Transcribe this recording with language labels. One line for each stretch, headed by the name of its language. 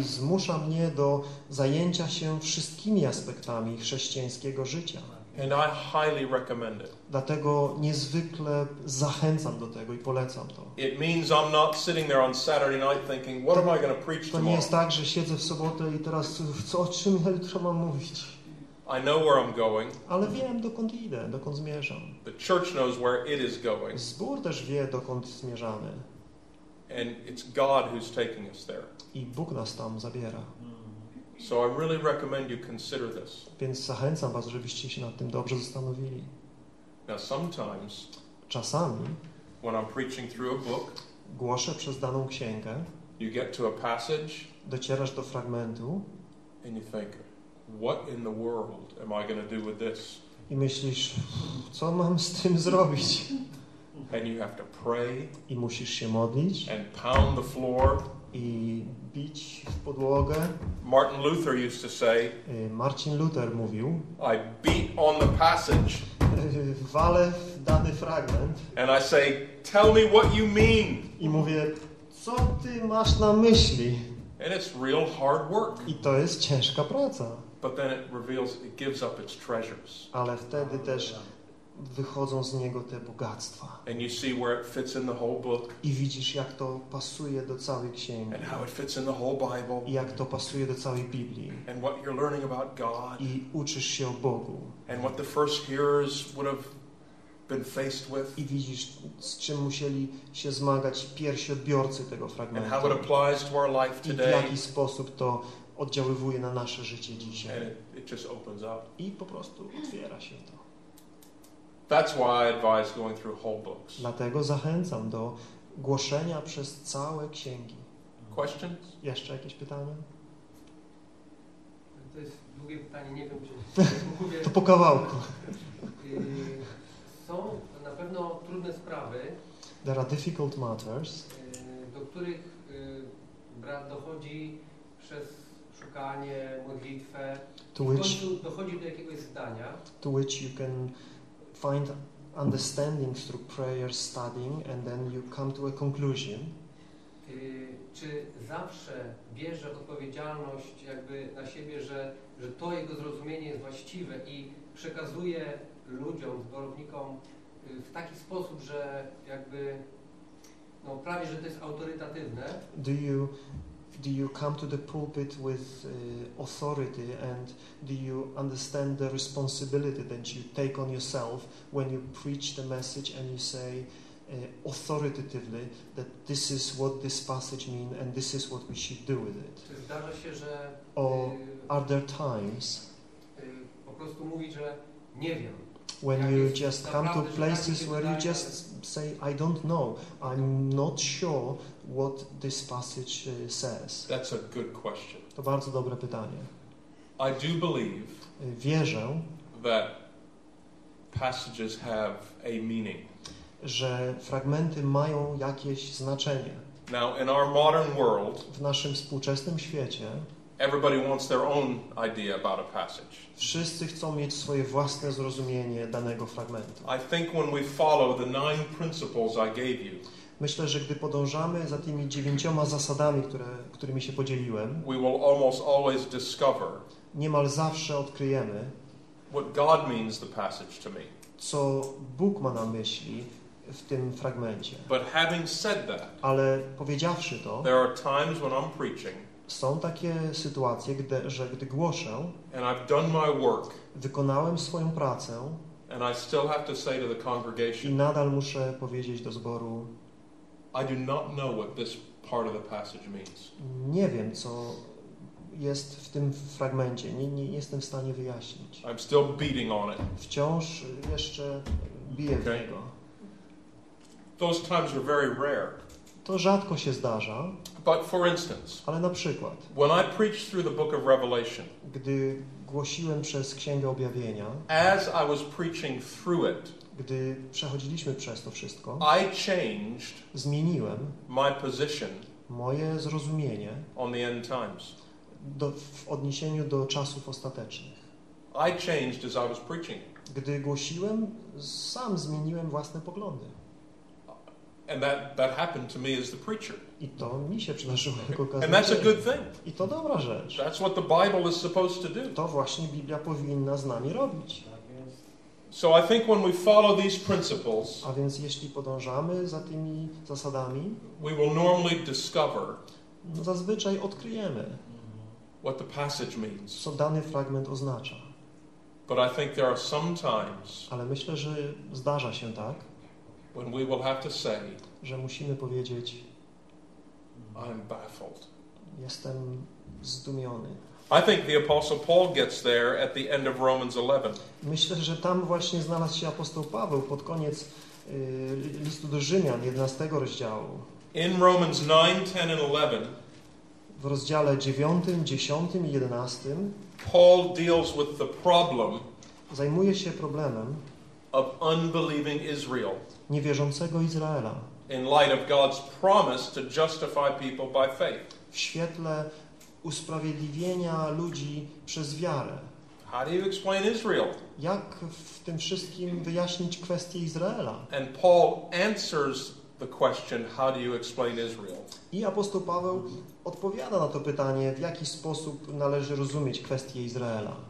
Polish: I zmusza mnie do zajęcia się wszystkimi aspektami chrześcijańskiego życia.
English: And I highly recommend it.
Polish: Dlatego niezwykle zachęcam do tego i polecam to.
English: It means I'm not sitting there on Saturday night thinking, what am I going to preach tomorrow?
Polish: To nie jest tak, że siedzę w sobotę i teraz o czym ja jutro mam mówić.
English: I know where I'm going.
Polish: Ale wiem, dokąd idę, dokąd zmierzam.
English: The church knows where it is going.
Polish: Zbór też wie, dokąd zmierzamy.
English: And it's God who's taking us there.
Polish: I Bóg nas tam zabiera.
English: So I really recommend you consider this.
Polish: Więc zachęcam was, żebyście się nad tym dobrze zastanowili.
English: Now sometimes,
Polish: czasami,
English: when I'm preaching through a book,
Polish: głoszę przez daną księgę,
English: you get to a passage,
Polish: docierasz do fragmentu,
English: and you think, what in the world am I going to do with this?
Polish: I myślisz, co mam z tym zrobić?
English: And you have to pray,
Polish: i musisz się modlić,
English: and pound the floor,
Polish: i bić w podłogę.
English: Martin Luther used to say,
Polish: Martin Luther mówił,
English: I beat on the passage,
Polish: walę w dany fragment,
English: and I say, tell me what you mean.
Polish: I mówię, co ty masz na myśli?
English: And it's real hard work.
Polish: I to jest ciężka praca.
English: But then it reveals, it gives up its treasures.
Polish: Ale wtedy też wychodzą z niego te bogactwa.
English: And you see where it fits in the whole book.
Polish: I widzisz, jak to pasuje do całej księgi.
English: And how it fits in the whole Bible.
Polish: I jak to pasuje do całej Biblii.
English: And what you're learning about God.
Polish: I uczysz się o Bogu.
English: And what the first hearers would have been faced with.
Polish: I widzisz, z czym musieli się zmagać pierwsi odbiorcy tego fragmentu.
English: And how it applies to our life today.
Polish: I w jaki sposób to oddziaływuje na nasze życie dzisiaj.
English: And it just opens up.
Polish: I po prostu otwiera się to.
English: That's why I advise going through whole books.
Polish: Dlatego zachęcam do głoszenia przez całe księgi.
English: Questions?
Polish: Jeszcze jakieś pytania? To jest długie pytanie, nie wiem, czy to po kawałku. Są na pewno trudne sprawy.
English: There are difficult matters.
Polish: Do których brat dochodzi przez szukanie, modlitwę.
English: To which,
Polish: dochodzi do jakiegoś zdania.
English: To which you can find understanding through prayer, studying, and then you come to a conclusion.
Polish: Czy zawsze bierze odpowiedzialność jakby na siebie, że to jego zrozumienie jest właściwe i przekazuje ludziom, zborownikom w taki sposób, że jakby no prawie, że to jest autorytatywne?
English: Do you come to the pulpit with authority, and do you understand the responsibility that you take on yourself when you preach the message and you say authoritatively that this is what this passage means and this is what we should do with it?
Polish: Zdarza się, że,
English: or are there times
Polish: po prostu mówi, że nie wiem.
English: When you just come to places where you just say, I don't know, I'm not sure what this passage says. That's a good question.
Polish: To bardzo dobre pytanie.
English: I do believe,
Polish: wierzę,
English: that passages have a meaning.
Polish: Że fragmenty mają jakieś znaczenie.
English: Now, in our modern world,
Polish: w naszym współczesnym świecie,
English: everybody wants their own idea about a passage.
Polish: Wszyscy chcą mieć swoje własne zrozumienie danego fragmentu.
English: I think when we follow the 9 principles I gave you,
Polish: myślę, że gdy podążamy za tymi 9 zasadami, którymi się podzieliłem,
English: we will almost always discover,
Polish: niemal zawsze odkryjemy,
English: what God means the passage to me.
Polish: Co Bóg ma na myśli w tym fragmencie.
English: But having said that,
Polish: ale powiedziawszy to,
English: there are times when I'm preaching,
Polish: są takie sytuacje, że gdy głoszę,
English: and I've done my work,
Polish: wykonałem swoją pracę,
English: and I still have to say to the congregation,
Polish: i nadal muszę powiedzieć do zboru,
English: I do not know what this part of the passage means.
Polish: Nie wiem, co jest w tym fragmencie. Nie jestem w stanie wyjaśnić.
English: I'm still beating on it.
Polish: Wciąż jeszcze biję w niego.
English: Those times are very rare.
Polish: To rzadko się zdarza.
English: But for instance,
Polish: ale na przykład,
English: when I preached through the book of Revelation,
Polish: gdy głosiłem przez Księgę Objawienia,
English: as I was preaching through it,
Polish: gdy przechodziliśmy przez to wszystko,
English: I changed,
Polish: zmieniłem
English: my position,
Polish: moje zrozumienie,
English: on the end times,
Polish: w odniesieniu do czasów ostatecznych.
English: I changed as I was preaching.
Polish: Gdy głosiłem, sam zmieniłem własne poglądy.
English: And that happened to me as the preacher.
Polish: I to mi się przydarzyło jako kazanie.
English: And that's a good thing.
Polish: I to dobra rzecz.
English: That's what the Bible is supposed to do.
Polish: To właśnie Biblia powinna z nami robić.
English: So I think when we follow these principles,
Polish: a więc jeśli podążamy za tymi zasadami,
English: we will normally discover,
Polish: no zazwyczaj odkryjemy,
English: what the passage means.
Polish: Co dany fragment oznacza.
English: But I think there are some times,
Polish: ale myślę, że zdarza się tak,
English: when we will have to say,
Polish: że musimy powiedzieć,
English: I'm baffled.
Polish: Jestem zdumiony.
English: I think the apostle Paul gets there at the end of Romans 11.
Polish: Myślę, że tam właśnie znalazł się apostoł Paweł pod koniec listu do Rzymian 11 rozdziału.
English: In Romans 9, 10 and 11.
Polish: W rozdziale 9, 10 i 11.
English: Paul deals with the problem.
Polish: Zajmuje się problemem
English: of unbelieving Israel.
Polish: Niewierzącego Izraela.
English: In light of God's promise to justify people by faith.
Polish: W świetle usprawiedliwienia ludzi przez wiarę.
English: How do you explain Israel?
Polish: Jak w tym wszystkim wyjaśnić kwestię Izraela?
English: And Paul answers the question, how do you explain Israel?
Polish: I apostoł Paweł odpowiada na to pytanie, w jaki sposób należy rozumieć kwestię Izraela.